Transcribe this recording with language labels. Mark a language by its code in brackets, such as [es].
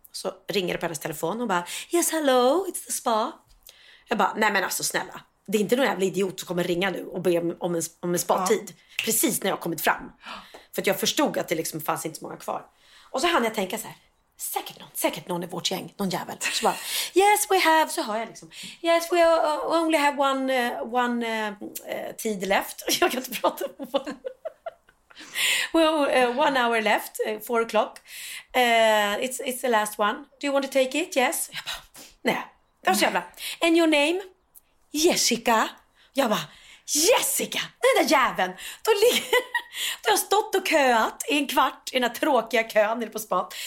[sv] Så ringer det på hennes telefon och bara, [en] yes hello, it's the spa. [sv] Jag bara, nej men alltså snälla. Det är inte någon jävla idiot som kommer ringa nu och be om en spa-tid. Ja. Precis när jag kommit fram. För att jag förstod att det liksom fanns inte så många kvar. Och så hann jag tänka så här. Säkert någon i vårt gäng. Någon jävel. Så bara, [en] yes we have. [sv] Så hör jag liksom. [en] Yes we only have one tid left. [sv] Jag kan inte prata på vad. [en] Well, one hour left. 4 o'clock. It's the last one. Do you want to take it? Yes. [sv] Jag bara, nej. Det var så jävla. [en] And your name? Jessica. [sv] Jag bara, Jessica, den där jäveln. Då har jag stått och köat i en kvart i den här tråkiga kön på spat.